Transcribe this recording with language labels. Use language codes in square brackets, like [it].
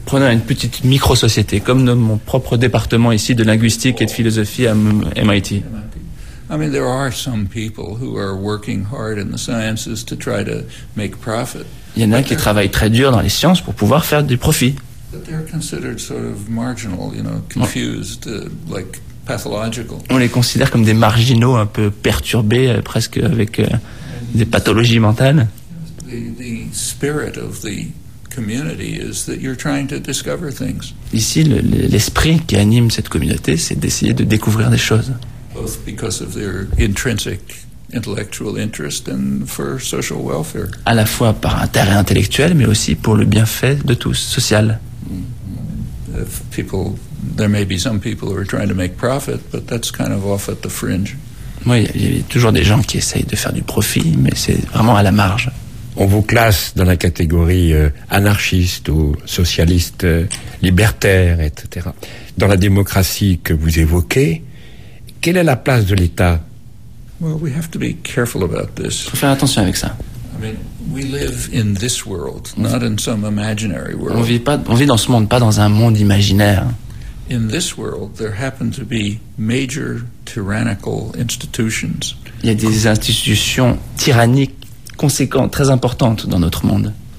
[fr] Prenons une petite micro-société, comme mon propre département ici de linguistique et de philosophie à MIT. [en] I mean, there are some people who are working hard in the sciences to try to make profit. [fr] Il y en a qui travaillent très dur dans les sciences pour pouvoir faire du profit. [en] But they're considered sort of marginal, you know, confused, like pathological. [fr] On les considère comme des marginaux un peu perturbés, presque avec des pathologies mentales. [en] The spirit of the community is that you're trying to discover things. [fr] Ici, l'esprit qui anime cette communauté, c'est d'essayer de découvrir des choses. [en] Both because of their intrinsic intellectual interest and for social welfare. [fr] À la fois par intérêt intellectuel, mais aussi pour le bienfait de tous, social. [en] People, there may be some people who are trying to make profit, but that's kind of off at the fringe. [fr] Oui, il y a toujours des gens qui essayent de faire du profit, mais c'est vraiment à la marge. On vous classe dans la catégorie anarchiste ou socialiste libertaire, etc. Dans la démocratie que vous évoquez, quelle est la place de l'État ? [en] Well, we have to be careful about this. [fr] Il faut faire attention avec ça. [en] I mean, we live in this world, not in some imaginary world. [fr] On vit dans ce monde, pas dans un monde imaginaire. [en] In this world, there happen to be major tyrannical institutions. [fr] Il y a des institutions tyranniques conséquentes, très importantes dans notre monde.